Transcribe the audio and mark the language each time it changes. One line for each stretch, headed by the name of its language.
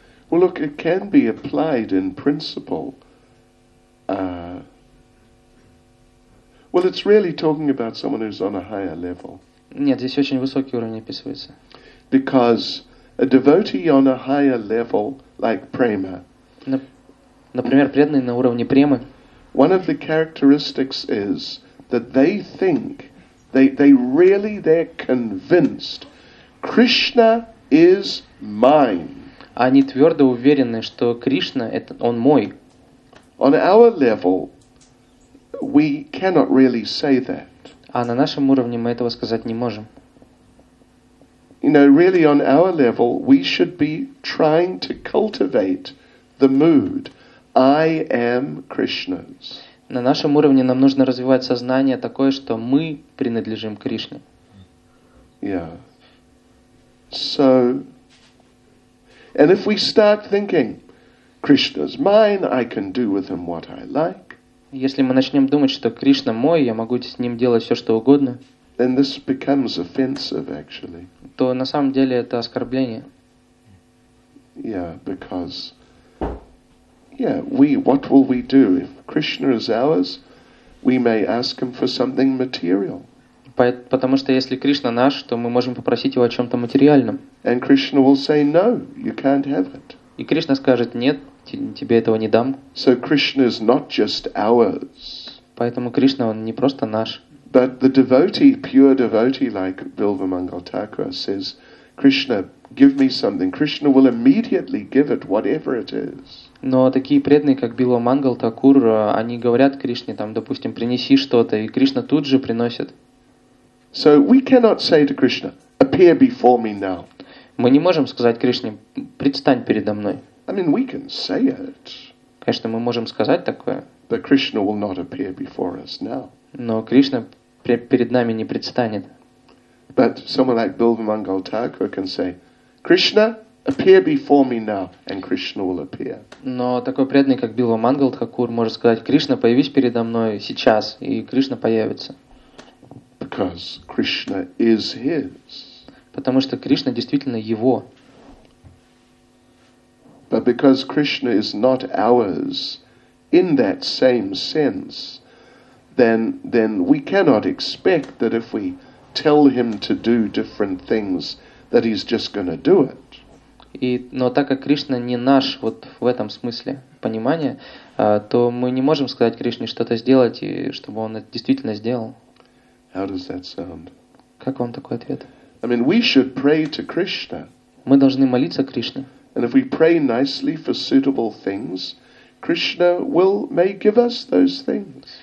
English: Well, look, it can be applied in principle. Well, it's really talking about someone who's on a higher level.
Russian: Нет, здесь очень высокий уровень описывается.
English: Because a devotee on a higher level, like prema,
Russian: например, преданный на уровне премы,
English: one of the characteristics is that they think, they really, they're convinced, Krishna is mine.
Russian: Они твердо уверены, что Кришна, это он мой.
English: On our level, we cannot really say that.
Russian: А на нашем уровне мы этого сказать не можем.
English: You know, really on our level, we should be trying to cultivate the mood, I am Krishna's.
Russian: На нашем уровне нам нужно развивать сознание такое, что мы принадлежим Кришне.
English: Yeah. So, and if we start thinking, Krishna's mine, I can do with him what I like.
Russian: Если мы начнем думать, что Кришна мой, я могу с ним делать все, что угодно,
English: then this becomes offensive, actually.
Russian: То на самом деле это оскорбление.
English: Yeah, because, yeah, we, what will we do? If Krishna is ours, we may ask him for something material.
Russian: Потому что если Кришна наш, то мы можем попросить его о чем-то материальном.
English: And Krishna will say, no, you can't have it.
Russian: И Кришна скажет, нет, тебе этого не дам.
English: So Krishna is not just ours.
Russian: Поэтому Кришна, он не просто наш.
English: But the devotee, pure devotee like Bilva Mangal Thakura says, Krishna, give me something. Krishna will immediately give it, whatever it is.
Russian: Но такие преданные, как Билва Мангал Такур, они говорят Кришне, там, допустим, принеси что-то, и Кришна тут же приносит.
English: So we cannot say to Krishna, appear before me now.
Russian: Мы не можем сказать Кришне, предстань передо мной.
English: I mean, we can say it.
Russian: Конечно, мы можем сказать такое.
English: But Krishna will not appear before us now.
Russian: Но Кришна перед нами не предстанет.
English: But someone like Bilva Mangal Thakura can say, Krishna, appear before me now, and Krishna will appear.
Russian: Но такой преданный, как Билва Мангал Такур, может сказать, Кришна, появись передо мной сейчас, и Кришна появится.
English: Because Krishna is his.
Russian: Потому что Кришна действительно его.
English: But because Krishna is not ours in that same sense, then we cannot expect that if we tell him to do different things, that he's just going to do it.
Russian: Но так как Кришна не наш вот в этом смысле понимания, то мы не можем сказать Кришне что-то сделать, и чтобы он это действительно сделал.
English: How does that sound?
Russian: Как вам такой ответ?
English: I mean, we should pray to Krishna.
Russian: Мы должны молиться Кришне.
English: And if we pray nicely for suitable things, Krishna will may give us those things.